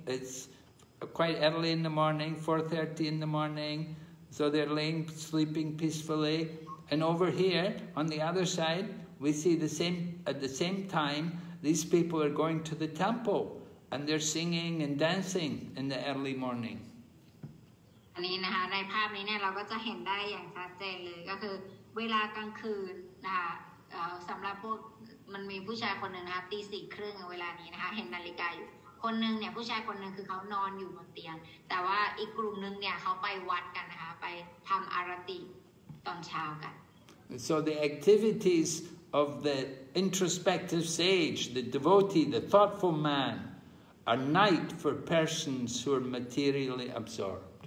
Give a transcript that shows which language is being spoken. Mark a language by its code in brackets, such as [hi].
[en] It's quite early in the morning, 4:30 in the morning. So they're laying sleeping peacefully. And over here, on the other side, we see the same, at the same time, these people are going to the temple. And they're singing and dancing in the early morning. [th] อันนี้นะคะในภาพนี้เนี่ยเราก็จะเห็นได้อย่างชัดเจนเลยก็คือ เวลากลางคืนนะคะสำหรับพวกมันมีผู้ชายคนหนึ่งนะคะตีสี่ครึ่งเวลานี้นะคะเห็นนาฬิกาอยู่คนหนึ่งเนี่ยผู้ชายคนหนึ่งคือเขานอนอยู่บนเตียงแต่ว่าอีกกลุ่มนึงเนี่ยเขาไปวัดกันนะคะไปทำอารติตอนเช้ากัน [en] so the activitiesOf the introspective sage, the devotee, the thoughtful man, a night for persons who are materially absorbed.